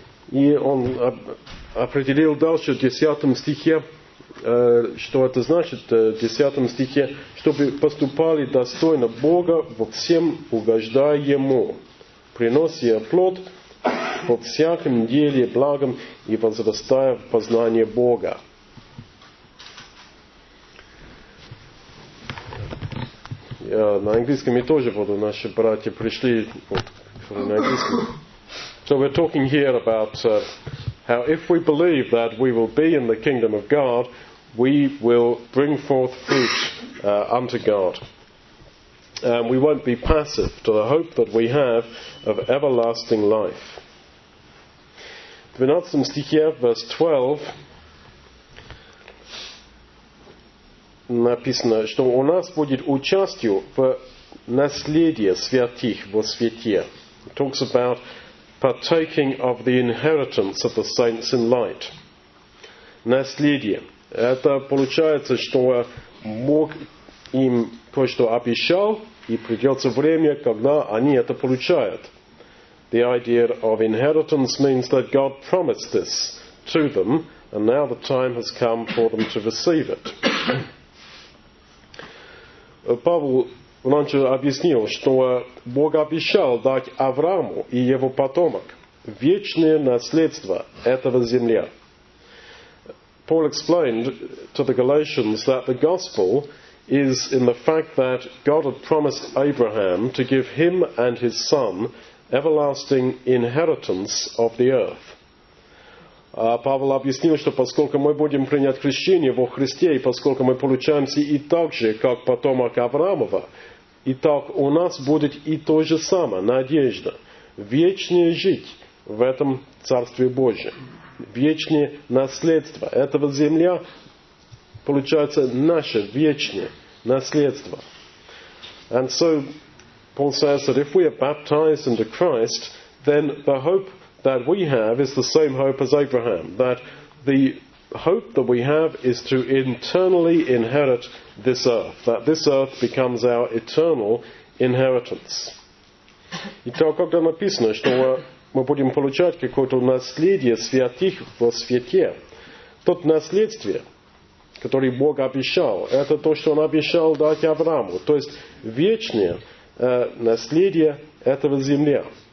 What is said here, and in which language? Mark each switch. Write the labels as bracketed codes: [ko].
[ru] И он определил дальше в 10 стихе, что это значит в 10 стихе, «чтобы поступали достойно Бога во всем угождая Ему, принося плод по всяким деле благом и возрастая в познание Бога». Я на английском я тоже буду. Наши братья пришли на английском. [en] So we're talking here about how if we believe that we will be in the kingdom of God, we will bring forth fruit unto God. We won't be passive to the hope that we have of everlasting life. [ru] В 12 стихе, [en] verse 12, [ru] написано, что у нас будет участие в наследие святых во святе. [en] It talks about partaking of the inheritance of the saints in light. [ru] Наследие. Это получается, что Бог им кое-что обещал, и придется время, когда они это получают. [en] The idea of inheritance means that God promised this to them, and now the time has come for them to receive it. [ru] Павел раньше объяснил, что Бог обещал дать Аврааму и его потомок вечное наследство этого земля. [en] Paul explained to the Galatians that the gospel is in the fact that God had promised Abraham to give him and his son everlasting inheritance of the earth. [ru] Павел объяснил, что поскольку мы будем принять крещение во Христе, и поскольку мы получаемся и так же, как потомок Авраамова, и так у нас будет и то же самое, надежда, вечная жить в этом Царстве Божьем, вечное наследство. Этого земля получается наше вечное наследство. [en] And so, Paul says that if we are baptized into Christ, then the hope that we have is the same hope as Abraham, that the hope that we have is to internally inherit this earth, that this earth becomes our eternal inheritance. [ru] Итак, когда написано, что мы будем получать какое-то наследие святых во святе, то наследствие, которое Бог обещал, это то, что Он обещал дать Аврааму, то есть вечное наследие этого земля.